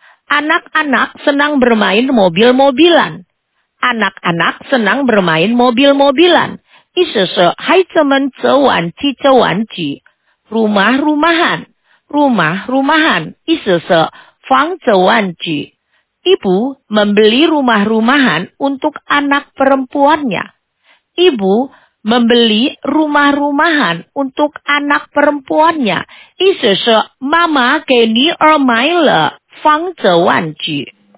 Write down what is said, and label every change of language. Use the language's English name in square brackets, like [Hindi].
[Indonesian] anak-anak senang bermain mobil-mobilan。 anak-anak senang bermain mobil-mobilan [Chinese] 意思是孩子们则玩汽车玩具。 rumah-rumahan 意思是房子玩具。 [Indonesian] Ibu membeli rumah-rumahan untuk anak perempuannya. Ibu membeli rumah-rumahan untuk anak perempuannya. [Chinese] 意思是妈妈给女儿买了房子玩具。